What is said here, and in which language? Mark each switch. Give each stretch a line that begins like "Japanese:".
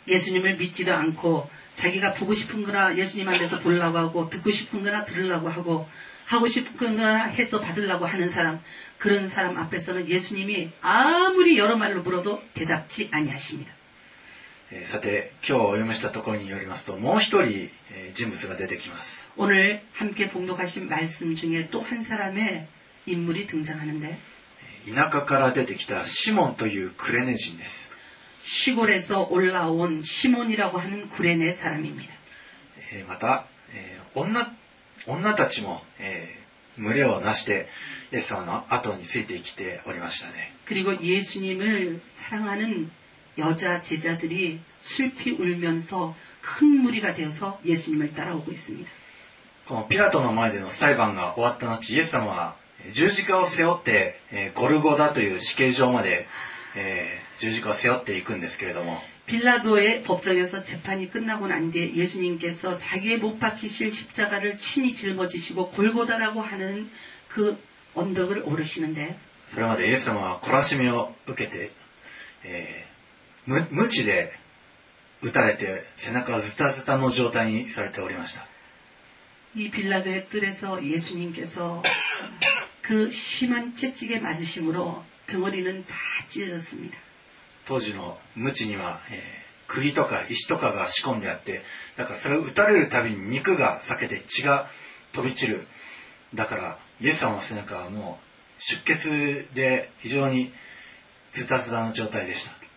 Korean: 예수님을믿지도않고자기가보고싶은거나예수님한테서보려고하고듣고싶은거나들으려고하고하고싶은거나해서받으려고하는사람그런사람앞에서는예수님이아무리여러말로물어도대답지아니하십니다
Japanese: さて今日お読みしたところによりますともう一人人物が出てきます
Korean: 오늘함께봉독하신말씀중에또한사람의인물이등장하는데
Japanese: 田舎から出てきたシモンというクレネ人です
Korean: 시골에서올라온시몬이라고하는구레네사람입니다
Japanese: また女たちも群れをなしてイエス様の後についてきておりましたね
Korean: 그리고예수님을사랑하는여자제자들이슬피울면서큰무리가되어서예수님을따라오고있습니다
Japanese: このピラトの前での裁判が終わった後イエス様は十字架を背負ってゴルゴダという死刑場まで十字架を背負っていくんですけれども
Korean: 빌라도의법정에서재판이끝나고난뒤예수님께서자기의못박히실십자가를친히짊어지시고골고다라고하는그언덕을오르시는데
Japanese: それまでイエス様は懲らしめを受けて無知で打たれて背中をズタズタの状態にされておりました
Korean: 이빌라도의뜰에서예수님께서그심한채찍에맞으심으로등허리는다찢어졌습니다
Japanese: 当時の無知には釘とか石とかが仕込んであってだからそれを打たれるたびに肉が裂けて血が飛び散るだからイエス様の背中はもう出血で非常にズタズタの状態でした。